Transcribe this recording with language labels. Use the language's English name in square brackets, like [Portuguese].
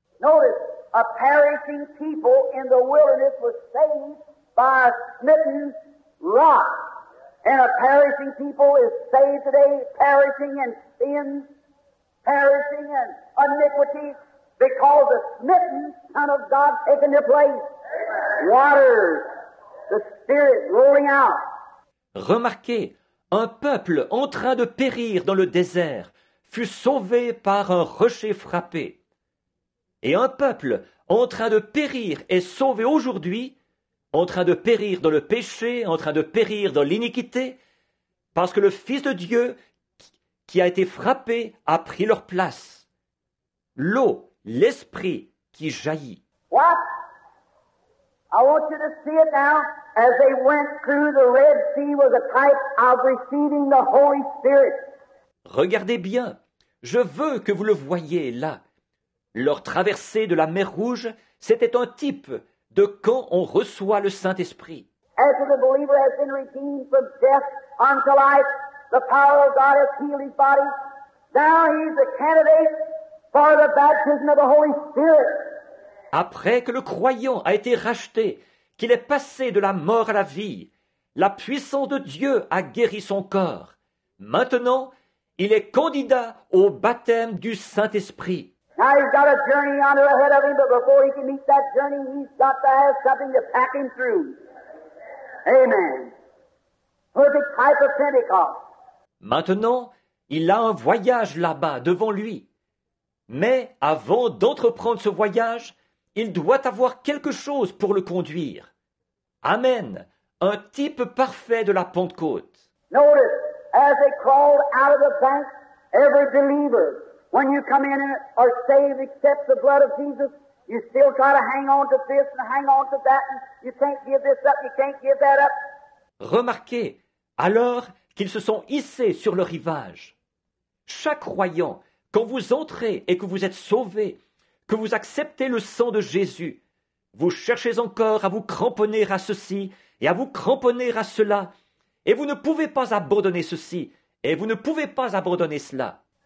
[English] Notice, a perishing people in the wilderness was saved by a smitten rock. And a perishing people is saved today, perishing in sin, perishing in iniquity, because the smitten Son of God taking their place. Waters, the Spirit rolling out. [French] Remarquez, un peuple en train de périr dans le désert fut sauvé par un rocher frappé. Et un peuple en train de périr est sauvé aujourd'hui, en train de périr dans le péché, en train de périr dans l'iniquité, parce que le Fils de Dieu qui a été frappé a pris leur place. L'eau, l'esprit qui jaillit. [English] What? I want you to see it now. As they went through the Red Sea was a type of receiving the Holy Spirit. [French] Regardez bien. Je veux que vous le voyez là. Leur traversée de la mer Rouge, c'était un type de quand on reçoit le Saint-Esprit. [English] As the believer has been redeemed from death unto life, the power of God has healed his body. Now he is a candidate for the baptism of the Holy Spirit. [French] Après que le croyant a été racheté, qu'il est passé de la mort à la vie, la puissance de Dieu a guéri son corps. Maintenant, il est candidat au baptême du Saint-Esprit. [English] Now he's got a journey on ahead of him, but before he can meet that journey, he's got to have something to pack him through. Amen. Perfect type of Pentecost. [French] Maintenant, il a un voyage là-bas devant lui. Mais avant d'entreprendre ce voyage, il doit avoir quelque chose pour le conduire. Amen. Un type parfait de la Pentecôte. [English] Notice, as they crawled out of the bank, every believer, when you come in and are saved, accept the blood of Jesus, you still try to hang on to this and hang on to that, and you can't give this up, you can't give that up. [French] Remarquez, alors qu'ils se sont hissés sur le rivage. Chaque croyant, quand vous entrez et que vous êtes sauvé, que vous acceptez le sang de Jésus, vous cherchez encore à vous cramponner à ceci et à vous cramponner à cela, et vous ne pouvez pas abandonner ceci et vous ne pouvez pas abandonner cela.